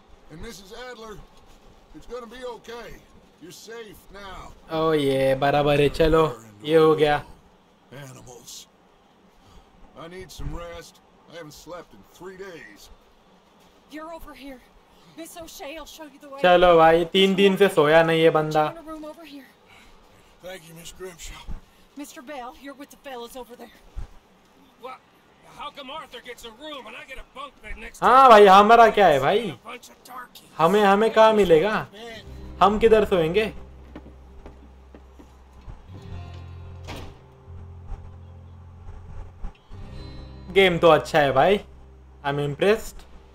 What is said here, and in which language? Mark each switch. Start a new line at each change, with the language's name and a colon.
English: And Mrs. Adler, it's gonna be okay. You're safe now. Oh yeah,
Hindi: barabar hai, chalo, ye ho gaya.
English: Animals. I need some rest. I haven't slept in 3 days. You're over here. Miss O'Shea, I'll show you the way.
Hindi: चलो भाई, तीन दिन से सोया नहीं ये बंदा।
English: Thank you, Miss Grimshaw. Mr. Bell, you're with the fellas over there. What? How come Arthur gets a room and I get a bunk bed next?
Hindi: हाँ भाई, हमारा क्या है भाई? हमें कहाँ मिलेगा? हम किधर सोएंगे? गेम तो अच्छा है भाई।
English: I'm impressed.